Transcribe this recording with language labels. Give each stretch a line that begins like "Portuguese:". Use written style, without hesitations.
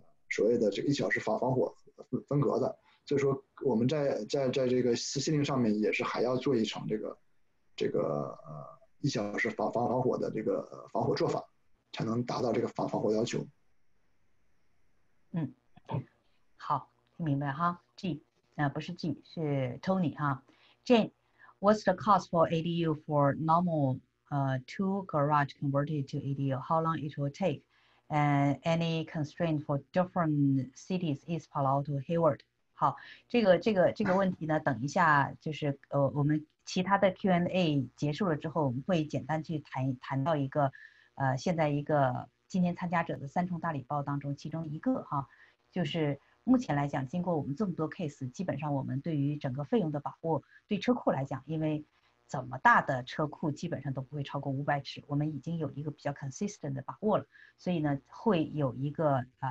Chinese: 所谓的这个1小时防火分隔的，所以说我们在这个西泠上面也是还要做一层这个1小时防火的这个防火做法，才能达到这个防火要求。好，听明白哈，
English: G，
Chinese: 不是 G， 是 Tony 哈，
English: Jane， What's the cost for ADU for normal two garage converted to ADU? How long it will take? And any constraint for different cities is Palo Alto Hayward?
Chinese: 好，这个问题呢，等一下就是我们其他的 Q&A 结束了之后，我们会简单去谈到一个现在一个今天参加者的三重大礼包当中其中一个哈，就是。目前来讲，经过我们这么多 case，基本上我们对于整个费用的把握，对车库来讲，因为怎么大的车库基本上都不会超过500尺，我们已经有一个比较 consistent 的把握了，所以呢，会有一个